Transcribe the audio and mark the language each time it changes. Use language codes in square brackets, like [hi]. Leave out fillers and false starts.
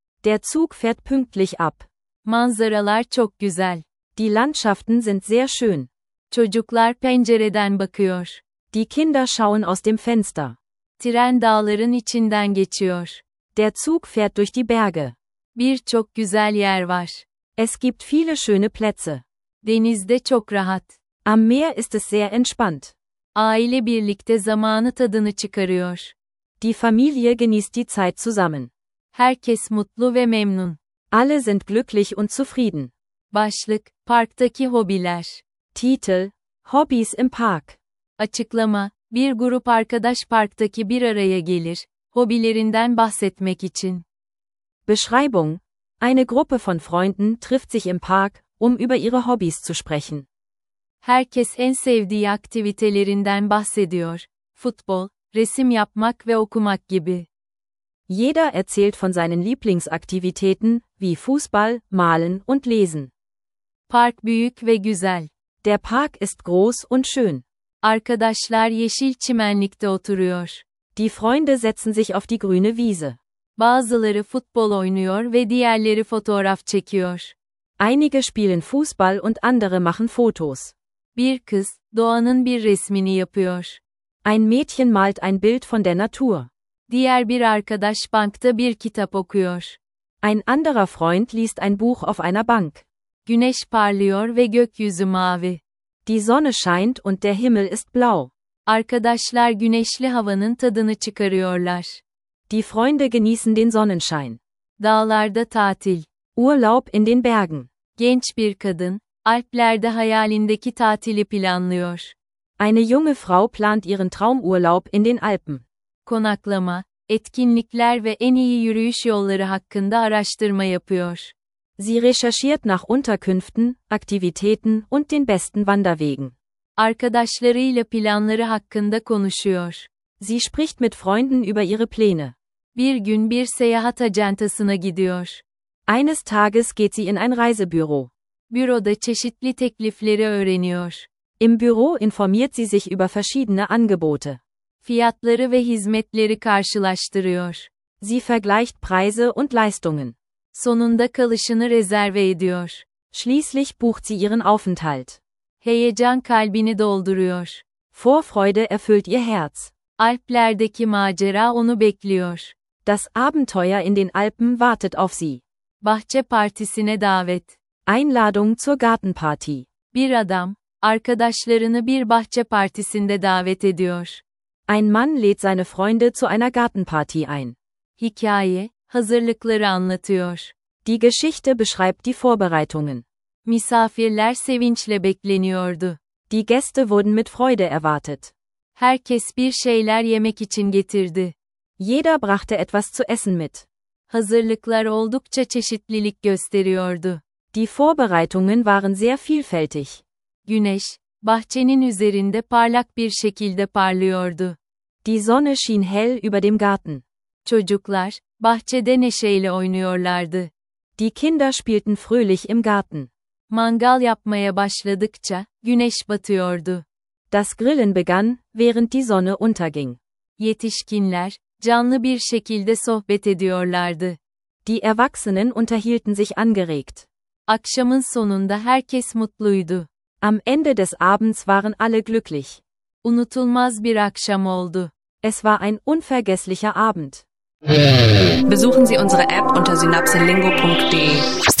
[de] Der Zug fährt pünktlich ab. [tr] Manzaralar çok güzel. [de] Die Landschaften sind sehr schön. [tr] Çocuklar pencereden bakıyor. [de] Die Kinder schauen aus dem Fenster. [tr] Tren dağların içinden geçiyor. [de] Der Zug fährt durch die Berge. [tr] Birçok güzel yer var. [de] Es gibt viele schöne Plätze. [tr] Denizde çok rahat. [de] Am Meer ist es sehr entspannt. [tr] Aile birlikte zamanı tadını çıkarıyor. [de] Die Familie genießt die Zeit zusammen. [tr] Herkes mutlu ve memnun. [de] Alle sind glücklich und zufrieden. [tr] Başlık, parktaki hobiler. [de] Titel, Hobbies im Park. [tr] Açıklama, bir grup arkadaş parktaki bir araya gelir, hobilerinden bahsetmek için. [de] Beschreibung, eine Gruppe von Freunden trifft sich im Park, um über ihre Hobbies zu sprechen. [tr] Herkes en sevdiği aktivitelerinden bahsediyor. Futbol, resim yapmak ve okumak gibi. [de] Jeder erzählt von seinen Lieblingsaktivitäten, wie Fußball, Malen und Lesen. [tr] Park büyük ve güzel. [de] Der Park ist groß und schön. [tr] Arkadaşlar yeşil çimenlikte oturuyor. [de] Die Freunde setzen sich auf die grüne Wiese. [tr] Bazıları futbol oynuyor ve diğerleri fotoğraf çekiyor. [de] Einige spielen Fußball und andere machen Fotos. [tr] Bir kız, doğanın bir resmini yapıyor. [de] Ein Mädchen malt ein Bild von der Natur. [tr] Diğer bir arkadaş bankta bir kitap okuyor. [de] Ein anderer Freund liest ein Buch auf einer Bank. [tr] Güneş parlıyor ve gökyüzü mavi. [de] Die Sonne scheint und der Himmel ist blau. [tr] Arkadaşlar güneşli havanın tadını çıkarıyorlar. [de] Die Freunde genießen den Sonnenschein. [tr] Dağlarda tatil. [de] Urlaub in den Bergen. [tr] Genç bir kadın, Alplerde hayalindeki tatili planlıyor. [de] Eine junge Frau plant ihren Traumurlaub in den Alpen. [tr] Konaklama, etkinlikler ve en iyi yürüyüş yolları hakkında araştırma yapıyor. [de] Sie recherchiert nach Unterkünften, Aktivitäten und den besten Wanderwegen. [tr] Arkadaşlarıyla planları hakkında konuşuyor. [de] Sie spricht mit Freunden über ihre Pläne. [tr] Bir gün bir seyahat ajantasına gidiyor. [de] Eines Tages geht sie in ein Reisebüro. [tr] Büroda çeşitli teklifleri öğreniyor. [de] Im Büro informiert sie sich über verschiedene Angebote. [tr] Fiyatları ve hizmetleri karşılaştırıyor. [de] Sie vergleicht Preise und Leistungen. [tr] Sonunda kalışını rezerve ediyor. [de] Schließlich bucht sie ihren Aufenthalt. [tr] Heyecan kalbini dolduruyor. [de] Vorfreude erfüllt ihr Herz. [tr] Alplerdeki macera onu bekliyor. [de] Das Abenteuer in den Alpen wartet auf sie. [tr] Bahçe partisine davet. [de] Einladung zur Gartenparty. [tr] Bir adam, arkadaşlarını bir bahçe partisinde davet ediyor. [de] Ein Mann lädt seine Freunde zu einer Gartenparty ein. [tr] Hikaye, hazırlıkları anlatıyor. [de] Die Geschichte beschreibt die Vorbereitungen. [tr] Misafirler sevinçle bekleniyordu. [de] Die Gäste wurden mit Freude erwartet. [tr] Herkes bir şeyler yemek için getirdi. [de] Jeder brachte etwas zu essen mit. [tr] Hazırlıklar oldukça çeşitlilik gösteriyordu. [de] Die Vorbereitungen waren sehr vielfältig. [tr] Güneş, bahçenin üzerinde parlak bir şekilde parlıyordu. [de] Die Sonne schien hell über dem Garten. [tr] Çocuklar, bahçede neşeyle oynuyorlardı. [de] Die Kinder spielten fröhlich im Garten. [tr] Mangal yapmaya başladıkça, güneş batıyordu. [de] Das Grillen begann, während die Sonne unterging. [tr] Yetişkinler, canlı bir şekilde sohbet ediyorlardı. [de] Die Erwachsenen unterhielten sich angeregt. [tr] Akşamın sonunda herkes mutluydu. [de] Am Ende des Abends waren alle glücklich. [tr] Unutulmaz bir akşam oldu. [de] Es war ein unvergesslicher Abend. Besuchen Sie unsere App unter synapsenlingo.de.